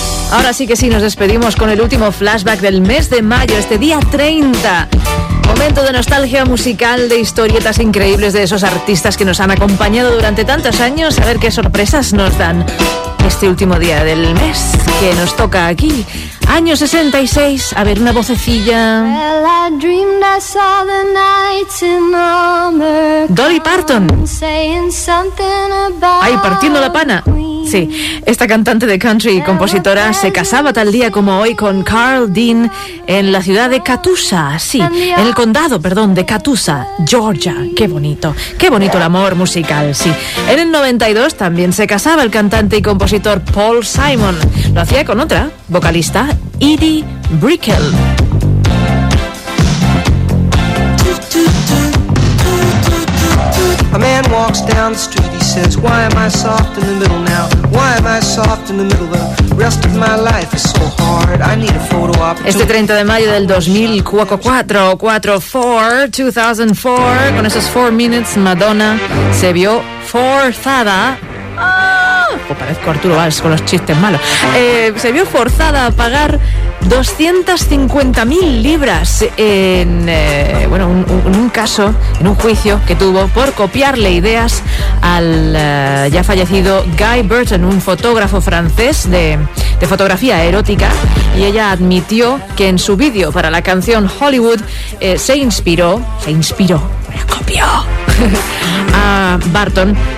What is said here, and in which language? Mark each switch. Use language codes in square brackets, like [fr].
[es] Ahora sí que sí, nos despedimos con el último flashback del mes de mayo, este día 30. Momento de nostalgia musical, de historietas increíbles de esos artistas que nos han acompañado durante tantos años. A ver qué sorpresas nos dan. este último día del mes que nos toca aquí. Año 66, a ver, una vocecilla. [en] Well, I dreamed I saw the knights in armor. [es] Dolly Parton. Ay, partiendo la pana. Sí, esta cantante de country y compositora se casaba tal día como hoy con Carl Dean en la ciudad de Catoosa, sí, en el condado, perdón, de Catoosa, Georgia. Qué bonito el amor musical, sí. En el 92 también se casaba el cantante y compositor Paul Simon. Lo hacía con otra vocalista, Edie Brickell. [en] A man walks down the street, he says, why am I soft in the middle now? Why am I soft in the middle? The rest of my life is so hard, I need a photo opportunity. [es] Este 30 de mayo del 2004, con esos 4 minutes, Madonna se vio forzada. Pues parezco Arturo Valls con los chistes malos. Se vio forzada a pagar 250.000 libras en bueno, un caso, en un juicio que tuvo por copiarle ideas al ya fallecido Guy Burton, un fotógrafo francés de fotografía erótica, y ella admitió que en su vídeo para la canción Hollywood se inspiró, copió a Burton.